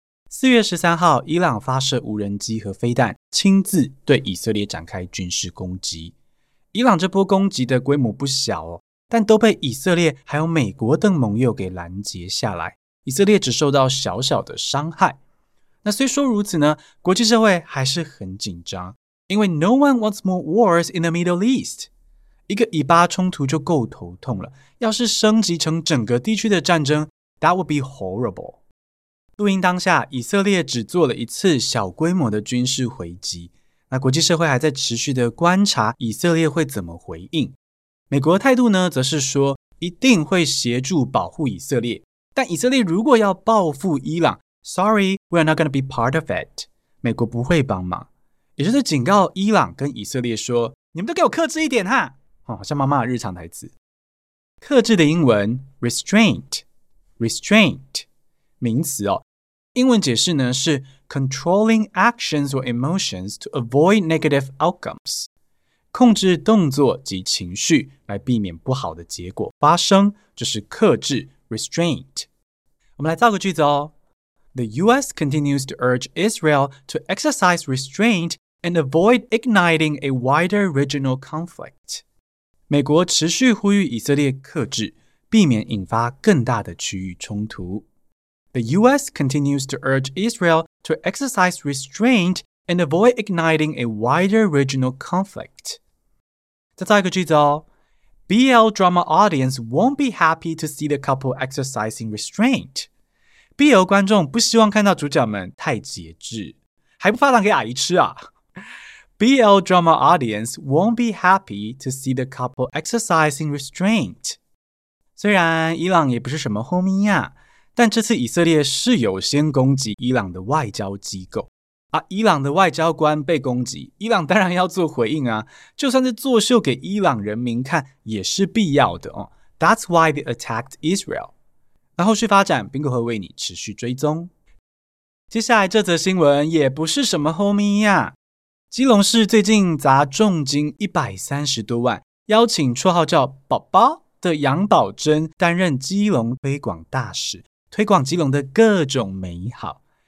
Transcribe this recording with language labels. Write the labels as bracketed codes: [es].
[zh] 4月13号，伊朗发射无人机和飞弹，亲自对以色列展开军事攻击。伊朗这波攻击的规模不小哦，但都被以色列还有美国等盟友给拦截下来，以色列只受到小小的伤害。那虽说如此呢，国际社会还是很紧张，因为 [en] No one wants more wars in the Middle East。 [zh] 一个以巴冲突就够头痛了，要是升级成整个地区的战争， [en] That would be horrible。 [zh] 录音当下，以色列只做了一次小规模的军事回击，那国际社会还在持续的观察以色列会怎么回应。美国的态度呢，则是说一定会协助保护以色列，但以色列如果要报复伊朗， [en] Sorry, we are not going to be part of it， [zh] 美国不会帮忙，也就是警告伊朗跟以色列说，你们都给我克制一点哈，好像妈妈的日常台词。克制的英文 Restraint 名词哦，英文解释呢是 [en] controlling actions or emotions to avoid negative outcomes， [zh] 控制动作及情绪来避免不好的结果发生，就是克制 restraint。我们来造个句子哦， [en] The US continues to urge Israel to exercise restraint and avoid igniting a wider regional conflict， [zh] 美国持续呼吁以色列克制，避免引发更大的区域冲突。 [en] The US continues to urge Israel to exercise restraint and avoid igniting a wider regional conflict. [zh] 再造一个句子哦， [en] BL drama audience won't be happy to see the couple exercising restraint. [zh] BL 观众不希望看到主角们太节制，还不发糖给阿姨吃啊。 [en] BL drama audience won't be happy to see the couple exercising restraint. [zh] 虽然伊朗也不是什么 homie 呀，但这次以色列是有先攻击伊朗的外交机构啊，伊朗的外交官被攻击，伊朗当然要做回应啊，就算是作秀给伊朗人民看也是必要的哦。 [en] That's why they attacked Israel。 [zh] 那后续发展 Bingo 会为你持续追踪。接下来这则新闻也不是什么 homie 呀，基隆市最近砸重金130多万邀请绰号叫宝宝的杨宝珍担任基隆推广大使，推广基隆的各种美好。